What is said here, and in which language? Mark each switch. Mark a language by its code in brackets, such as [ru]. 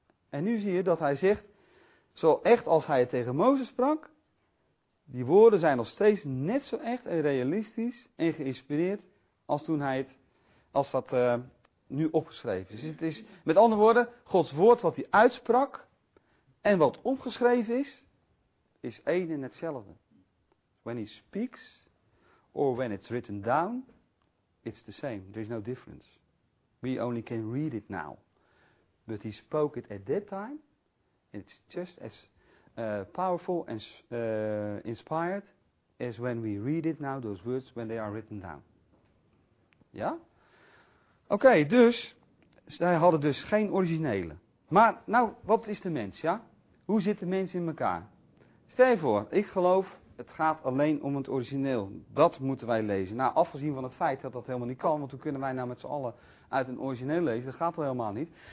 [nl] En nu zie je dat hij zegt, zo echt als hij het tegen Mozes sprak, die woorden zijn nog steeds net zo echt en realistisch en geïnspireerd als toen hij het, als dat nu opgeschreven. Dus het is, met andere woorden, Gods woord wat hij uitsprak en wat opgeschreven is, is één en hetzelfde. [en] When he speaks, or when it's written down, it's the same. There is no difference. We only can read it now. But he spoke it at that time, and it's just as powerful and inspired as when we read it now, those words, when they are written down. [nl] Ja? Oké, dus, zij hadden dus geen originele. Maar, nou, wat is de mens, ja? Hoe zit de mens in elkaar? Stel je voor, ik geloof, het gaat alleen om het origineel. Dat moeten wij lezen. Nou, afgezien van het feit dat dat helemaal niet kan, want hoe kunnen wij nou met z'n allen uit een origineel lezen? Dat gaat al helemaal niet.